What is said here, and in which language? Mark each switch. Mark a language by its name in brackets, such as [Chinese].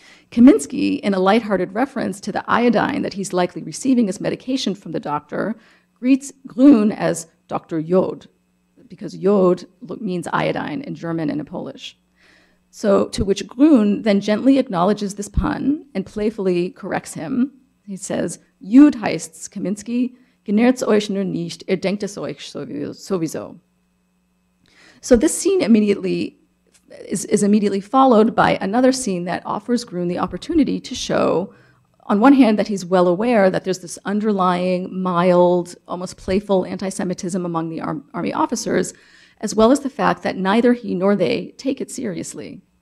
[English] Kaminsky, in a lighthearted reference to the iodine that he's likely receiving as medication from the doctor, greets Grün as Dr. Jod, because Jod means iodine in German and in Polish. So to which Grün then gently acknowledges this pun and playfully corrects him. He says, [German] Jod heißt Kaminsky, generts euch nur nicht, ihr denkt es euch sowieso. [English] So this scene immediately followed by another scene that offers Grün the opportunity to show, on one hand, that he's well aware that there's this underlying, mild, almost playful anti-Semitism among the army officers, as well as the fact that neither he nor they take it seriously.